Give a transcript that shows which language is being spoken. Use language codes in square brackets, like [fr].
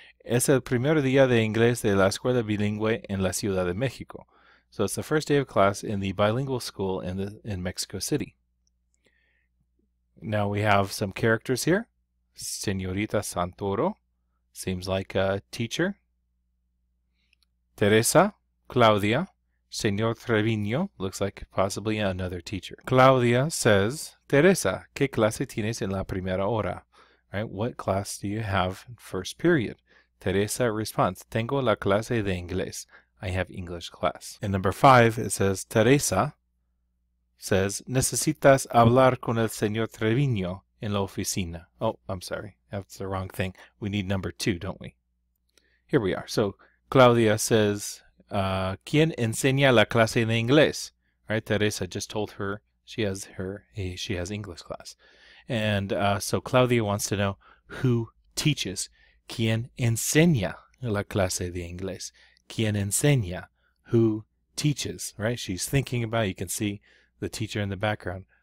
[es] Es el primer día de inglés de la escuela bilingüe en la Ciudad de México. [en] So it's the first day of class in the bilingual school in Mexico City. Now we have some characters here. Señorita Santoro seems like a teacher. Teresa, Claudia, Señor Treviño looks like possibly another teacher. Claudia says, [es] Teresa, ¿qué clase tienes en la primera hora? [en] Right, what class do you have in first period? Teresa responds, [es] Tengo la clase de inglés. [en] I have English class. In number five, it says, Teresa says, [es] Necesitas hablar con el señor Treviño en la oficina. [en] Oh, I'm sorry. That's the wrong thing. We need number two, don't we? Here we are. So Claudia says, [es] ¿Quién enseña la clase de inglés? [en] Right, Teresa just told her she has English class. And so Claudia wants to know who teaches. [es] ¿Quién enseña la clase de inglés? ¿Quién enseña? [en] Who teaches? Right? She's thinking about it. You can see the teacher in the background.